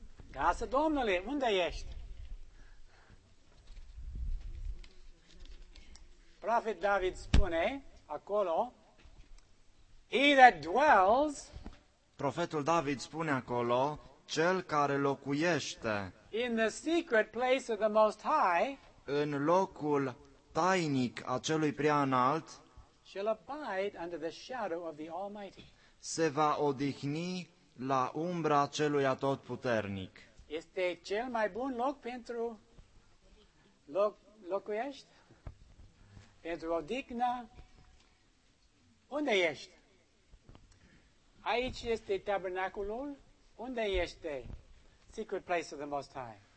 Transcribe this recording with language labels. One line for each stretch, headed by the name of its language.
Romanian: Casa Domnului, unde ești?
English: Prophet David
Romanian: spune acolo,
English: he that dwells,
Romanian: profetul David spune acolo, cel care locuiește
English: in the secret place of the Most High,
Romanian: în locul tainic a celui prea înalt,
English: shall abide under the shadow of the Almighty.
Romanian: Se va odihni la umbra celui atotputernic. Este cel mai bun loc pentru locuiești? Pentru odihnă, unde ești? Aici este tabernaculul, unde este
English: secret place of the Most High?